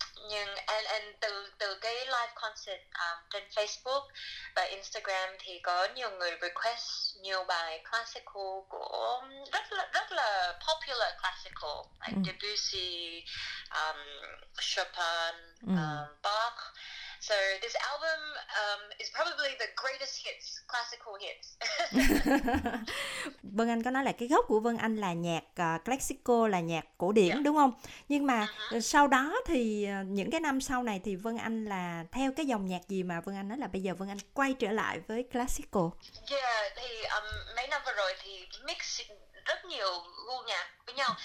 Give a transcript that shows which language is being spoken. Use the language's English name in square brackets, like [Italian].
[Vietnamese] Nhưng and từ cái live concert trên Facebook và Instagram thì có nhiều người request nhiều bài classical của rất là popular classical, like Debussy, Chopin, Bach. [English] So this album is probably the greatest hits, classical hits. [Vietnamese] Vân Anh có nói là cái gốc của Vân Anh là nhạc classical, là nhạc cổ điển, đúng không? Nhưng mà sau đó thì những cái năm sau này thì Vân Anh là theo cái dòng nhạc gì mà Vân Anh nói là bây giờ Vân Anh quay trở lại với classical? Yeah, thì mấy năm vừa rồi thì mix rất nhiều gu nhạc với nhau.